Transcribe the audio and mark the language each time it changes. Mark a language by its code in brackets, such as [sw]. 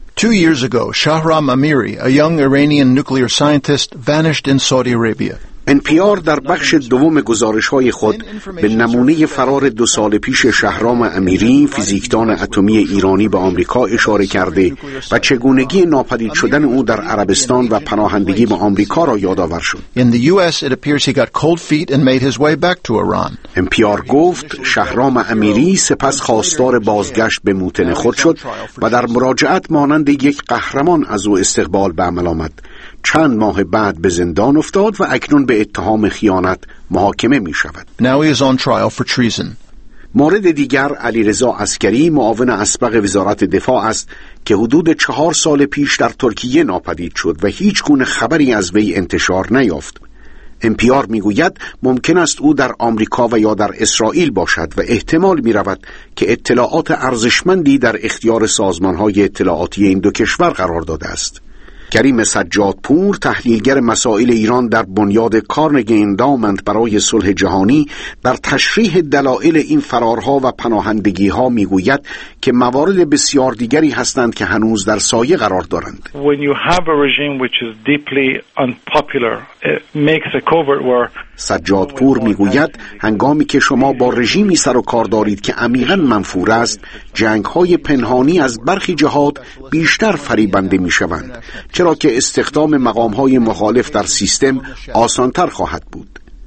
[en] 2 years ago, Shahram Amiri, a young Iranian nuclear scientist, vanished in Saudi Arabia. [fa] NPR در بخش دوم گزارش‌های خود به نمونه فرار 2 سال پیش شهرام امیری، فیزیکدان اتمی ایرانی به آمریکا اشاره کرده و چگونگی ناپدید شدن او در عربستان و پناهندگی به آمریکا را یادآور شد. [en] In the US it appears he got cold feet and made his way back to Iran. [fa] NPR گفت شهرام امیری سپس خواستار بازگشت به موطن خود شد و در مراجعت مانند یک قهرمان از او استقبال به عمل آمد. چند ماه بعد به زندان افتاد و اکنون به اتهام خیانت محاکمه می شود. [en] Now he is on trial for treason. [fa] مورد دیگر علیرضا عسکری، معاون اسبق وزارت دفاع است که حدود 4 سال پیش در ترکیه ناپدید شد و هیچ گونه خبری از وی انتشار نیافت. NPR می گوید ممکن است او در آمریکا و یا در اسرائیل باشد و احتمال می رود که اطلاعات ارزشمندی در اختیار سازمان های اطلاعاتی این دو کشور قرار داده است. کریم سجادپور تحلیلگر مسائل ایران در بنیاد کارنگی اندامند برای صلح جهانی در تشریح دلایل این فرارها و پناهندگیها میگوید که موارد بسیار دیگری هستند که هنوز در سایه قرار دارند. [en] When you have a regime which is deeply unpopular, it makes a covert war. [fa] سجادپور میگوید هنگامی که شما با رژیمی سر و کار دارید که عمیقا منفور است، جنگ‌های پنهانی از برخی جهات بیشتر فریبنده می‌شوند، چرا که استخدام مقام‌های مخالف در سیستم آسان‌تر خواهد بود.